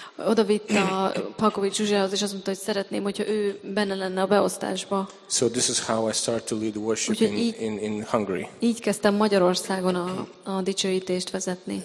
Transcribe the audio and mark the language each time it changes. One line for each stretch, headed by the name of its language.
Hungarian: Oda vitt a Palkovics Zsuzsához, és azt mondta, hogy szeretném, hogyha ő benne lenne a beosztásba.
English: So this is how I start to lead worship in Hungary.
Hungarian: Így kezdtem Magyarországon a dicsőítést vezetni.